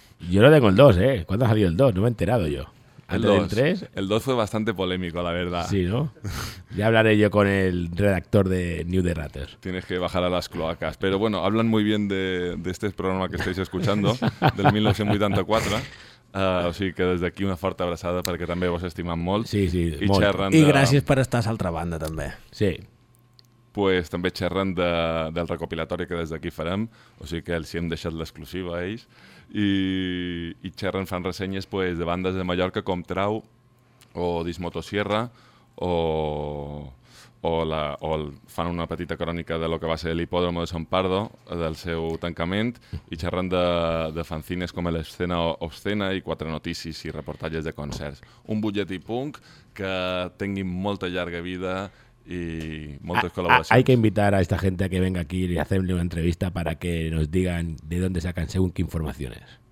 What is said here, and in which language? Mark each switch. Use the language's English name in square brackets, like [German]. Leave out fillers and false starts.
[Spanish] Yo lo tengo el 2, ¿eh? ¿Cuándo ha salido el 2? No me he enterado yo. ¿El 2? El 2 fue bastante polémico, la verdad. Sí, ¿no? Ya hablaré yo con el redactor de New The Ratter. Tienes que bajar a las cloacas. Pero bueno, hablan muy bien de este programa que estáis escuchando, del 1984. [Catalan] O sigui que des d'aquí una forta abraçada perquè també vos estimem molt. Sí, sí, i molt. Xerren de... I gràcies per estar a l'altra banda, també. Sí. Pues també xerren del recopilatori que des d'aquí farem, o sigui que els hi hem deixat l'exclusiva a ells, i xerren, fan ressenyes pues, de bandes de Mallorca com Trau, o Dismotosierra, o fan una petita crònica de lo que va ser l'Hipòdromo de Sant Pardo, del seu tancament, i xerren de fanzines com l'Escena Obscena i quatre notícies i reportatges de concerts. Un butlletí punk que tingui molta llarga vida [Spanish] y muchas colaboraciones. Hay que invitar a esta gente a que venga aquí y hacerle una entrevista para que nos digan de dónde sacan según qué informaciones.